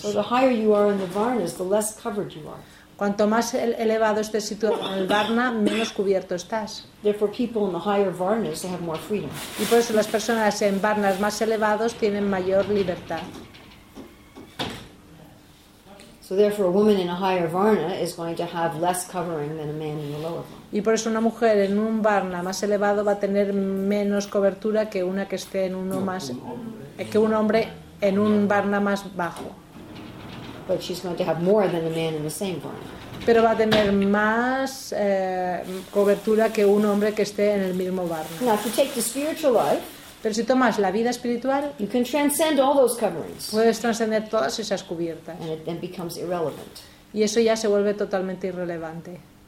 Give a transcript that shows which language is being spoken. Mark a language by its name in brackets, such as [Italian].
[English] So the higher you are in the varnas, the less covered you are. [Spanish] Cuanto más elevado estés situado en el varna, menos cubierto estás. [English] Therefore, people in the higher varnas have more freedom. [Spanish] Y por eso las personas en varnas más elevados tienen mayor libertad. [English] So therefore, a woman in a higher varna is going to have less covering than a man in the lower varna. [Spanish] Y por eso una mujer en un varna más elevado va a tener menos cobertura que una que esté en uno más, que un hombre en un varna más bajo. [English] But she's going to have more than a man in the same varna. [Spanish] Pero va a tener más cobertura que un hombre que esté en el mismo varna. [English] Now, if you take the spiritual life, [Spanish] pero si tomas la vida espiritual, [English] you can transcend all those coverings. [Spanish] Puedes transcender todas esas cubiertas. [English] And it then becomes irrelevant. [Spanish] Y eso ya se vuelve totalmente irrelevante.